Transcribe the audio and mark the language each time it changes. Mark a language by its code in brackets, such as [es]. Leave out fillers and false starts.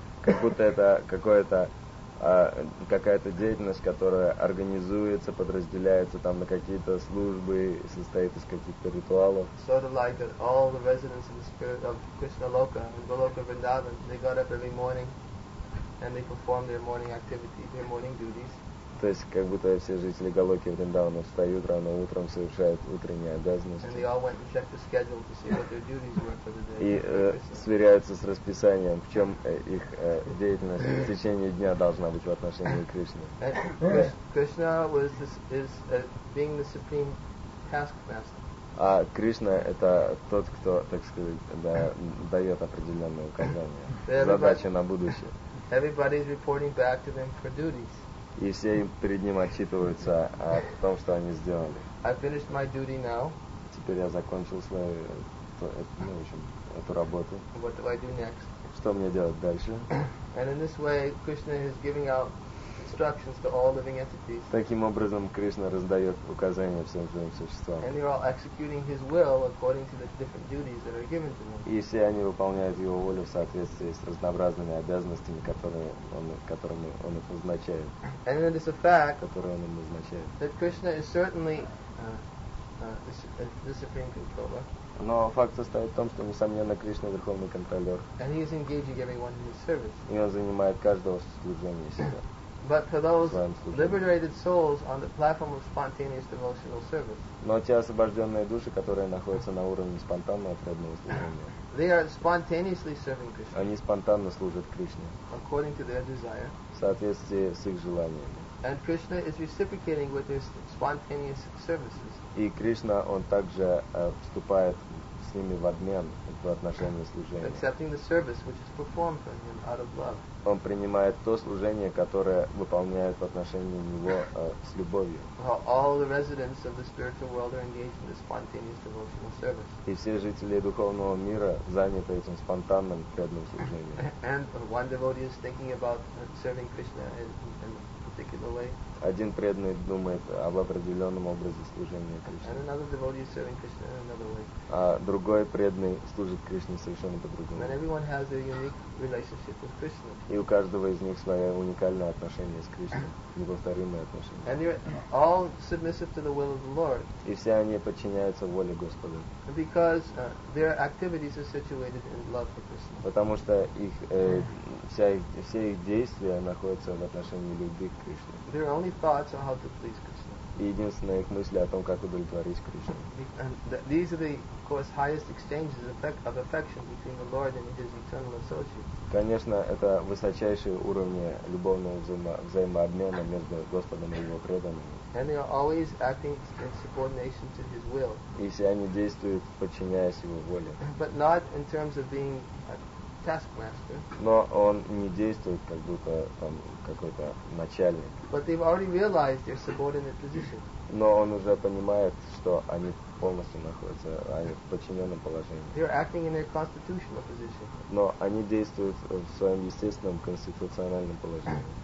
[ru] Как будто это какое-то какая-то деятельность, которая организуется, подразделяется там на какие-то службы, состоит из каких-то ритуалов. [en] Sort of like that all the residents in the spirit of Krishna Loka and Goloka Vrindavan, they got up every morning and they performed their morning activity, their morning duties. [ru] То есть как будто все жители Голоки Вриндавана встают рано утром, совершают утренние обязанности. [en] And they all went and checked the schedule to see what their duties were for the day. [ru] И сверяются с расписанием, в чем их деятельность в течение дня должна быть в отношении Кришны. [en] Krishna was being the supreme taskmaster. [ru] А Кришна это тот, кто, так сказать, дает определенные указания, задачи на будущее. [en] Everybody is reporting back to them for duties. [ru] И все перед ним отчитываются о том, что они сделали. [en] I finished my duty now. [ru] Теперь я закончил свою, ну, в общем, эту работу. [en] What do I do next? [ru] что мне делать дальше? [en] And in this way, Krishna is giving out instructions to all living entities. [ru] Таким образом, Кришна раздает указания всем живым существам. [en] And they're all executing his will according to the different duties that are given to them. [ru] И все они выполняют его волю в соответствии с разнообразными обязанностями, которыми он их назначает. [en] And it is a fact, [ru] которые он им назначает. [en] That Krishna is certainly the supreme controller. [ru] Но факт состоит в том, что, несомненно, Кришна — верховный контролер. [en] And he is engaging everyone in his service. [ru] И он занимает каждого служения себя. [en] But for those liberated souls on the platform of spontaneous devotional service. [ru] Но те освобожденные души, которые находятся на уровне спонтанного преданного служения. [en] They are spontaneously serving Krishna. [ru] Они спонтанно служат Кришне. [en] According to their desire. [ru] В соответствии с их желаниями. [en] And Krishna is reciprocating with his spontaneous services. [ru] И Кришна, он также вступает с ними в обмен по отношению к служению. [en] Accepting the service which is performed for him out of love. [ru] Он принимает то служение, которое выполняют в отношении него с любовью. [en] While all the residents of the spiritual world are engaged in the spontaneous devotional service. [ru] И все жители духовного мира заняты этим спонтанным преданным служением. [en] And one devotee is thinking about serving Krishna in particular way. [ru] Один преданный думает об определенном образе служения Кришне. [en] And another devotee is serving Krishna in another way. [ru] А другой преданный служит Кришне совершенно по-другому. [en] And everyone has their unique relationship with Krishna. [ru] И у каждого из них свое уникальное отношение с Кришной, неповторимое отношение. [en] And they're all submissive to the will of the Lord. [ru] И все они подчиняются воле Господа. [en] Because their activities are situated in love for Krishna. [ru] Потому что их все их действия находятся в отношении любви к Кришне. [en] Their only thoughts are how to please Krishna. [ru] И единственные их мысли о том, как удовлетворить Кришну. [en] These are the, of course, highest exchanges of affection between the Lord and His eternal associates. [ru] Конечно, это высочайшие уровни любовного взаимообмена между Господом и Его преданными. [en] And they are always acting in subordination to His will. [ru] И все они действуют, подчиняясь Его воле. [en] But not in terms of being a taskmaster. [ru] Но он не действует, как будто там какой-то начальник. [en] But they've already realized their subordinate position. [ru] Но он уже понимает, что они полностью находятся, они в подчиненном положении. [en] They're acting in their constitutional position. [ru] Но они действуют в своем естественном конституциональном положении.